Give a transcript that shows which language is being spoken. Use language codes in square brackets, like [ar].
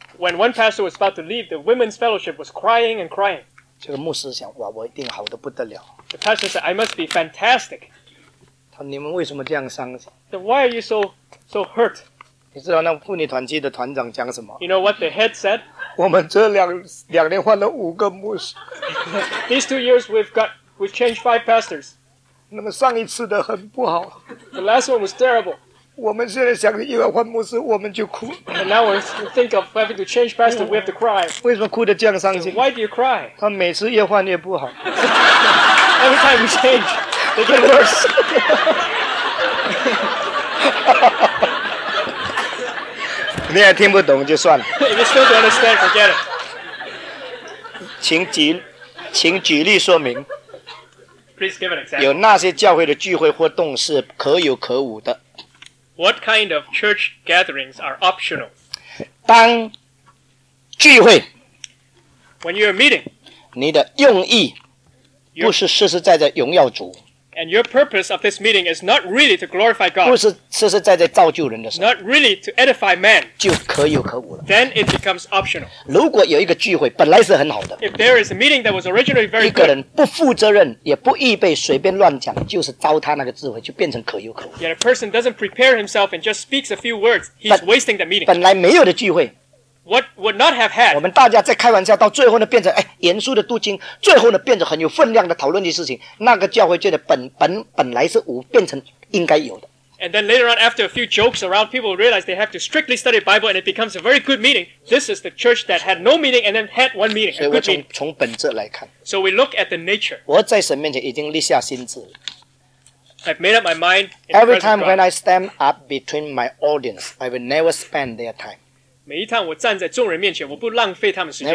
[en] When one pastor was about to leave, the women's fellowship was crying and crying. [zh] 这个牧师想，哇，我一定好得不得了。 [en] The pastor said, I must be fantastic. [zh] 他说，你们为什么这样伤心？ [en] So why are you so hurt? [zh] 你知道那妇女团契的团长讲什么？ [en] You know what the head said? [zh] 我们这两年换了5个牧师。 [en] These 2 years we've changed 5 pastors. [zh] 那么上一次的很不好。 [en] The last one was terrible. [zh] 我们现在想着又要换牧师，我们就哭。 [en] And now we think of having to change pastor, we have to cry. [zh] 为什么哭得这样伤心？ [en] Why do you cry? [zh] 他每次越换越不好。 [en] Every time we change, they get worse. [zh] 你也听不懂就算了。 [en] If you still don't understand, forget it. [zh] 请举例说明。 [en] Please give an example. [zh] 有那些教会的聚会活动是可有可无的。 [en] What kind of church gatherings are optional? [zh] 当聚会 [en] When you're meeting, [zh] 你的用意不是实实在在荣耀主 [en] And your purpose of this meeting is not really to glorify God. [zh] 不是实实在在造就人的时候 [en] Not really to edify man. [zh] 就可有可无了 [en] Then it becomes optional. [zh] 如果有一个聚会本来是很好的 [en] If there is a meeting that was originally very good, [zh] 一个人不负责任也不预备随便乱讲就是糟蹋那个智慧就变成可有可无 [en] Yet a person doesn't prepare himself and just speaks a few words, he's wasting the meeting. [zh] 本来没有的聚会 [en] What would not have had? [zh] 我们大家在开玩笑，到最后呢，变成哎严肃的读经，最后呢，变成很有分量的讨论的事情。那个教会觉得本来是无，变成应该有的。 [en] And then later on, after a few jokes around, people realize they have to strictly study Bible, and it becomes a very good meeting. This is the church that had no meeting and then had one meeting. [zh] 所以我从本质来看。 [en] So we look at the nature. [zh] 我在神面前已经立下心志了。 [en] I've made up my mind. Every time when I stand up between my audience, I will never spend their time. [zh] 每一趟我站在众人面前，我不浪费他们时间。